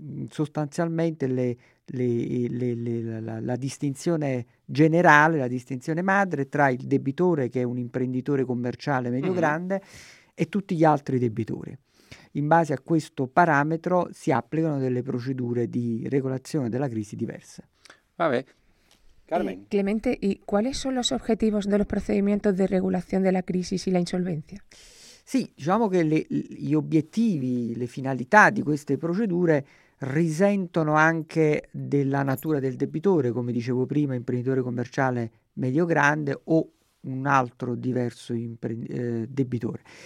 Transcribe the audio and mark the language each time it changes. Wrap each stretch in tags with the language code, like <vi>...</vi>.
<it>Sostanzialmente la distinzione generale, la distinzione madre tra il debitore che è un imprenditore commerciale medio-grande e tutti gli altri debitori. In base a questo parametro si applicano delle procedure di regolazione della crisi diverse. Vabbè. Carmen.</it> <es>Clemente, ¿y cuáles son los objetivos de los procedimientos de regulación de la crisis y la insolvencia?</es> <it>Sì, diciamo che gli obiettivi, le finalità di queste procedure risentono anche della natura del debitore, come dicevo prima, imprenditore commerciale medio-grande o un altro diverso debitore.</it>